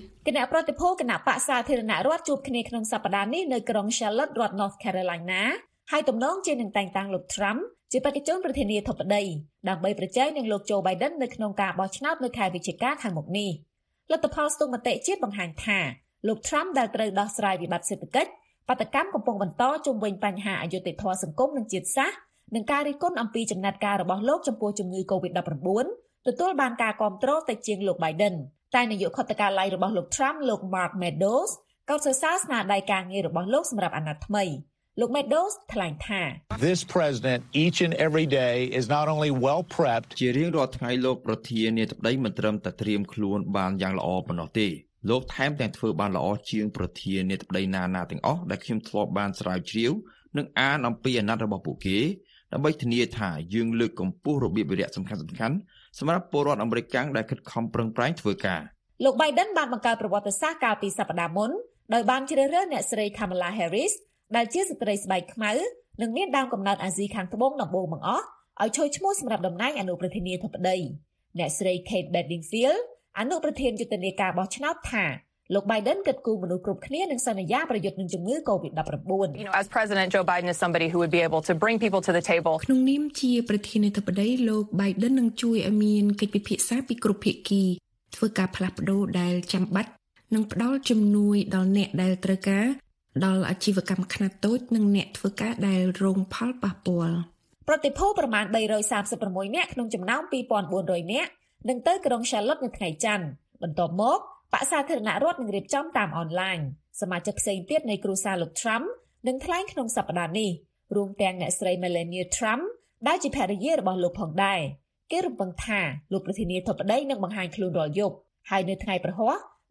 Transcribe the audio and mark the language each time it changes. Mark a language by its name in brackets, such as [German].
[Khmer] គណៈប្រតិភូគណៈបក្សសាធារណរដ្ឋជួបគ្នាក្នុងសប្តាហ៍នេះនៅក្រុង Charlotte រដ្ឋ North Carolina ហើយតំណងជានឹងតែងតាំងលោក Trump ជាបេក្ខជនប្រធានាធិបតីដើម្បីប្រជែងនឹងលោក Joe Biden នៅក្នុងការបោះឆ្នោតនៅខែវិច្ឆិកាខាងមុខនេះលទ្ធផលស្ទង់មតិជាតិបង្ហាញថាលោកត្រាំដែលត្រូវដោះស្រាយវិបត្តិសេដ្ឋកិច្ចបាតកម្មកំពុងបន្តជំវិញបញ្ហាអយុត្តិធម៌សង្គមនិងជាតិសាសន៍និងការរិះគន់អំពីចំណាត់ការរបស់លោកចំពោះជំងឺ COVID-19 ទទួលបានការគាំទ្រទៅជាងលោក Biden តែនាយកខុទ្ទកាល័យរបស់លោកត្រាំលោក Mark Meadows ក៏សរសើរស្នាដៃការងាររបស់លោកសម្រាប់អនាគតថ្មីលោក Meadows ថ្លែងថា [English] This president each and every day is not only well prepped [Khmer] ជារៀងរាល់ថ្ងៃលោកប្រធាននាយកប្រដីមិនត្រឹមតែត្រៀមខ្លួនបានយ៉ាងល្អប៉ុណ្ណោះទេលោកថែមទាំងធ្វើបានល្អជាងប្រធានាធិបតីណានាទាំងអស់ដែលខ្ញុំធ្លាប់បានស្រាវជ្រាវនិងអានអំពីអាណត្តិរបស់ពួកគេដើម្បីធានាថាយើងលើកកម្ពស់របៀបវិរៈសំខាន់ៗសម្រាប់ពលរដ្ឋអាមេរិកកាំងដែលខិតខំប្រឹងប្រែងធ្វើការ លោក Biden បានបង្កើតប្រវត្តិសាស្ត្រកាលពីសប្តាហ៍មុនដោយបានជ្រើសរើសអ្នកស្រី Kamala Harris ដែលជាស្ត្រីស្បែកខ្មៅនិងមានដើមកំណើតអាស៊ីខាងត្បូងដំបូងបង្អស់ឲ្យចូលឈ្មោះសម្រាប់តំណែងអនុប្រធានាធិបតីអ្នកស្រី Kate Bedingfield អនុប្រធានយុទ្ធនាការបោះឆ្នោតថាលោក Biden គិតគូរមនុស្សគ្រប់គ្នានឹងសន្យាប្រយុទ្ធនឹងជំងឺ COVID-19 [English] You know as President Joe Biden is somebody who would be able to bring people to the table [Khmer] ក្នុងនាមជាប្រធានាធិបតីលោក Biden នឹងជួយឲ្យមានកិច្ចពិភាក្សាពីគ្រប់ភាគីធ្វើការផ្លាស់ប្ដូរដែលចាំបាច់និងផ្ដល់ជំនួយដល់អ្នកដែលត្រូវការដល់អាជីវកម្មខ្នាតតូចនិងអ្នកធ្វើការដែលរងផលប៉ះពាល់ប្រតិភូប្រមាណ336អ្នកក្នុងចំណោម2400អ្នកនឹងទៅក្រុង Charlotte នៅថ្ងៃច័ន្ទបន្ទាប់មកបក្សសាធារណរដ្ឋនឹងរៀបចំតាមអនឡាញសមាជិកផ្សេងទៀតនៃគ្រួសារលោក Trump នឹងថ្លែងក្នុងសប្តាហ៍នេះរួមទាំងអ្នកស្រី Melania Trump ដែលជាភរិយារបស់លោកផងដែរគេរំពឹងថាលោកប្រធានាធិបតីនឹងបង្ហាញខ្លួនរាល់យប់ហើយនៅថ្ងៃព្រហស្បតិ៍